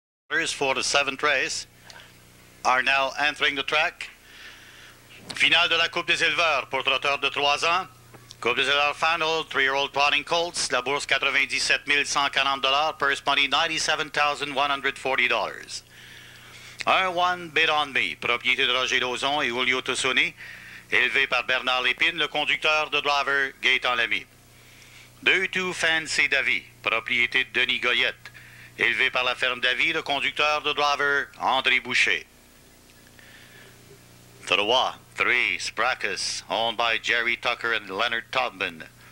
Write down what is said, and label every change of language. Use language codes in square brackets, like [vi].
[en] Eleveurs for the seventh race are now entering the track. [fr] Finale de la Coupe des Eleveurs pour trotteurs de 3 ans. [en] Coupe des Eleveurs final, 3-year-old trotting colts. [fr] La bourse [en] $97,140. Purse money $97,140. 1-1 bid on me. [fr] Propriété de Roger Lauzon et Julio Tussoni. Élevé par Bernard Lépine, le conducteur de driver Gaëtan Lamy. 2-2 Fancy Davy, propriété de Denis Goyette. Élevé par la ferme Davy, le conducteur de driver André Boucher. [en] 3-3 Sprakus, owned by Jerry Tucker and Leonard Tubman.